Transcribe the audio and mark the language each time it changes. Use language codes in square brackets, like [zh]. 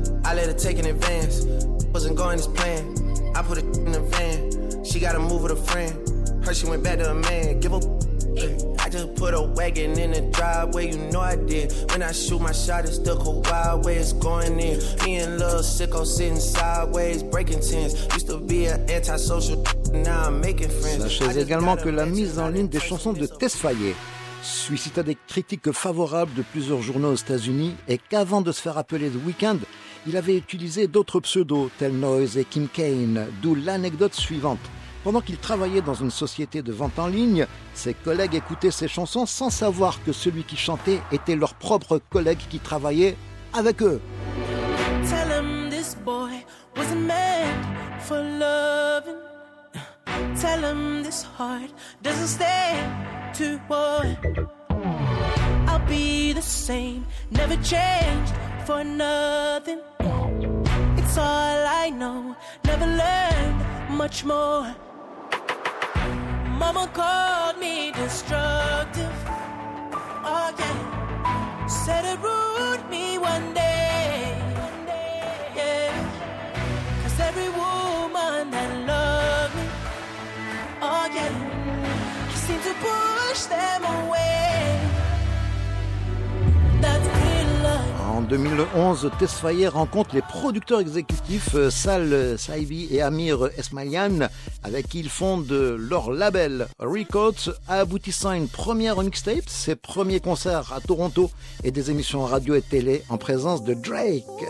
[en] I let her take in advance. Wasn't going as planned. I put it in the van. She gotta move with a friend. Her, she went back to a man. Give a I just put a wagon in the driveway. You know I did. When I shoot my shot, it's the Kawhi way. It's going in. Me and Lil Sicko sitting sideways, breaking tens. Used to be an antisocial. Now I'm making friends. [fr] Sachez également que la mise en ligne des chansons de Tesfaye suscita des critiques favorables de plusieurs journaux aux États-Unis et qu'avant de se faire appeler The Weeknd, il avait utilisé d'autres pseudos tels Noize et Kim Kane, d'où l'anecdote suivante. Pendant qu'il travaillait dans une société de vente en ligne, ses collègues écoutaient ses chansons sans savoir que celui qui chantait était leur propre collègue qui travaillait avec eux. [en] Tell him this boy wasn't meant for loving. Tell him this heart doesn't stay to war. I'll be the same, never changed for nothing. It's all I know, never learned much more. Mama called me destructive. Oh yeah, said it ruined me one day. Yeah, 'cause every woman that loved me, oh yeah, I seem to push them away. That's in love. En [fr] 2011, Tesfaye rencontre les producteurs exécutifs Sal Saibi et Amir Esmaïlian, avec qui ils fondent leur label Records, aboutissant à une première mixtape, ses premiers concerts à Toronto et des émissions radio et télé en présence de Drake.